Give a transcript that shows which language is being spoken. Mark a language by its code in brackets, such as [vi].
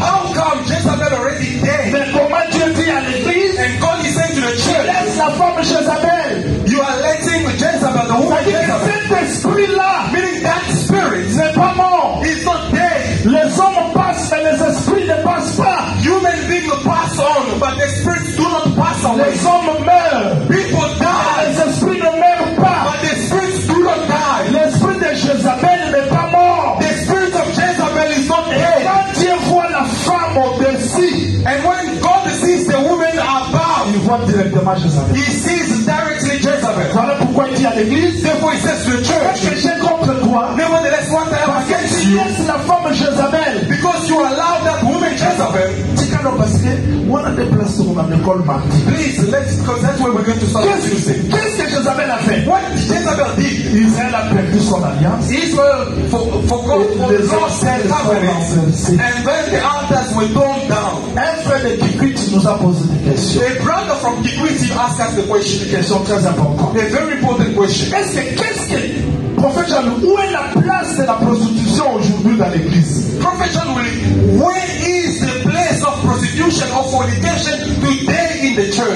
[en] How come Jézabel already dead? [fr] Mais comment tu dis à l'église? [en] And God is saying to the church. [fr] Tu laisses la femme Jézabel. [en] You are letting Jézabel, the woman Jézabel. [fr] Cet esprit-là. [en] Meaning that spirit. [fr] N'est pas mort. [en] He's not dead. [fr] Les hommes passent mais les esprits ne passent pas. [en] Human beings pass on, but the spirits do not pass on. [fr] Les hommes meurent. [en] People die. [fr] Mais les esprits ne meurent pas. [en] But the spirits do not die. [fr] L'esprit de Jézabel n'est pas mort. [en] The spirit of Jezebel is not dead. [fr] Quand Dieu voit la femme au-dessus, [en] and when God sees the woman above, [fr] il voit directement Jézabel. [en] He sees directly Jezebel. [fr] Voilà pourquoi il dit à l'église. [en] Therefore he says to the church. Nevertheless, what I have against you, [fr] yes, la femme Jezebel, [en] because you allow that woman Jezebel. [fr] Parce que [en] one of the places [fr] on a l'école Marty. [en] Please, let's, because that's where we're going to start. [fr] Qu'est-ce que Jezebel a fait? [en] What did Jezebel did? [fr] Israël a perdu son alliance. [en] Israel forgot the covenant. And then the altars were torn down. [fr] Enfin, le Kikwit nous a posé des questions. [en] A brother from Kikwit asked us the question. [fr] Une question très importante. [en] A very important question. [fr] Est-ce que, prophète Jean, où est la place de la prostitution aujourd'hui dans l'église? [en] Prophète Jean, where is the place of prostitution or fornication today in the church?